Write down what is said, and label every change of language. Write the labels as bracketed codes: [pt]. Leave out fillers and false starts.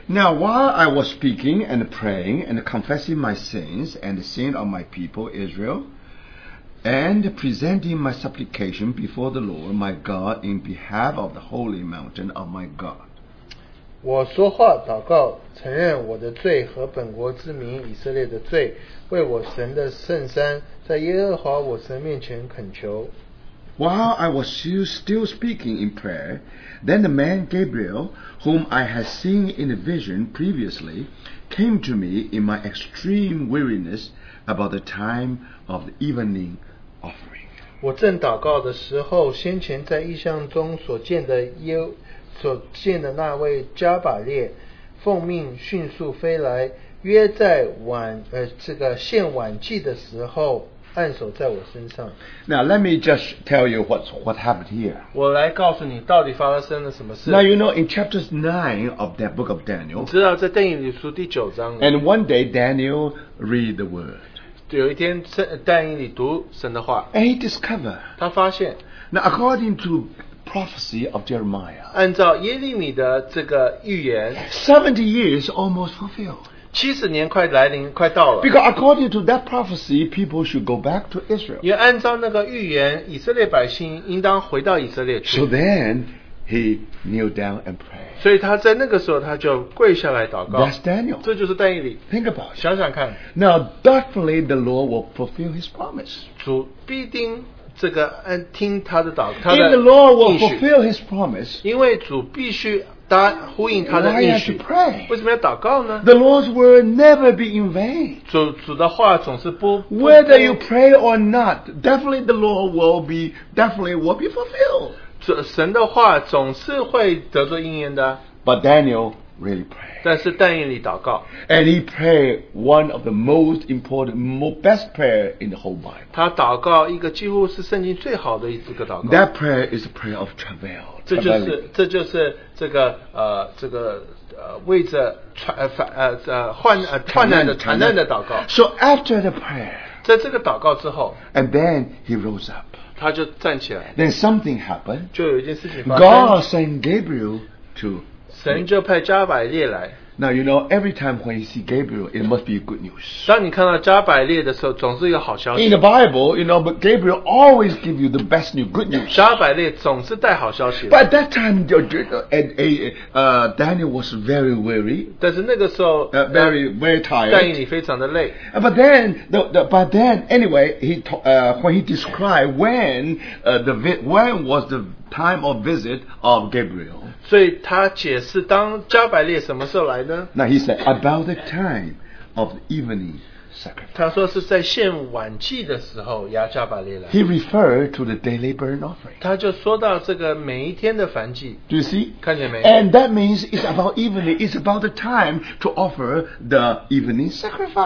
[en] Now while I was speaking and praying and confessing my sins and the sin of my people Israel,And presenting my supplication before the Lord, my God, in behalf of the holy mountain of my God. [zh] 我说话祷告，承认我的罪和本国之民以色列的罪，为我神的圣山，在耶和华我神面前恳求。 [en] While I was still speaking in prayer, then the man Gabriel, whom I had seen in a vision previously, came to me in my extreme wearinessabout the time of the evening offering. [zh] 我正祷告的时候，先前在异象中所见的那位加百列奉命迅速飞来，约在献晚祭的时候按手在我身上。 [en] Now let me just tell you what happened here. [zh] 我来告诉你到底发生了什么事。 [en] Now you know in chapters 9 of that book of Daniel, [zh] 你知道在但以理书第九章里。 [en] And one day Daniel read the word. [zh] 有一天但以理读神的话 [en] And he discovered [zh] 他发现 [en] Now according to prophecy of Jeremiah [zh] 按照耶利米的这个预言 [en] 70 years almost fulfilled [zh] 70年快来临快到了 [en] Because according to that prophecy people should go back to Israel [zh] 也按照那个预言以色列百姓应当回到以色列去 [en] So then he kneeled down and prayed [zh] 所以他在那个时候他就跪下来祷告 [en] That's Daniel [zh] 这就是但以理 [en] Think about it [zh] 想想看 [en] Now definitely the Lord will fulfill his promise [zh] 主必定这个听他的祷告 [en] If the Lord will fulfill his promise [zh] 因为主必须答呼应他的应许 [en] Why have to pray [zh] 为什么要祷告呢 [en] The Lord's word never be in vain [zh] 主的话总是不 [en] Whether you pray or not definitely the Lord will be fulfilled [zh] 神的话总是会得到应验的 [en] But Daniel really prayed [zh] 但是但以理祷告 [en] And he prayed one of the most important best prayer in the whole Bible [zh] 他祷告一个几乎是圣经最好的一次个祷告 [en] That prayer is a prayer of travail [zh] 这就是这个为着患难的祷告 [en] So after the prayer [zh] 在这个祷告之后 [en] And then he rose up Then something happened. [zh] 就有一件事情发生。 [en] God sent Gabriel to. [zh] 神就派加百列来。 [en] Now you know every time when you see Gabriel, it must be good news. [zh] 当你看到加百列的时候，总是一个好消息。 [en] In the Bible, you know, but Gabriel always give you the best news, good news. [zh] 加百列总是带好消息。 [en] But that time, Daniel was very weary. [zh] 但是那个时候 [en] very tired. [zh] 但以理非常的累。 [en] But then, when he described when was the time of visit of Gabriel. [zh] 所以他解释当加百列什么时候来呢 [en] Now he said about the time of the evening sacrifice. [zh] 他说是在献晚祭的时候亚加百列来。 [en] He referred to the daily burnt offering. [zh] 他就说到这个每一天的燔祭。 [en] Do you see? [zh] 看见没？ [en] And that means it's about evening. It's about the time to offer the evening sacrifice.